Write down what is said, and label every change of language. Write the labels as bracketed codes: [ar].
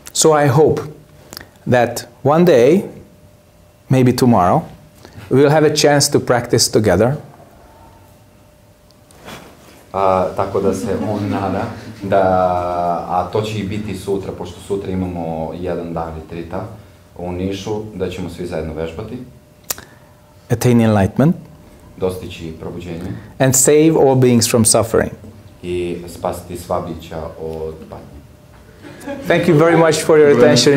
[en] So I hope that one day, maybe tomorrow, we'll have a chance to practice together. [sr] Tako da se on nada, da, a to će i biti sutra, pošto sutra imamo jedan dan retrita u Nišu, da ćemo svi zajedno vežbati. [en] Attain enlightenment. [sr] Dostići probuđenje. [en] And save all beings from suffering. [sr] I spasiti sva bića od patnje. [en] Thank you very much for your attention.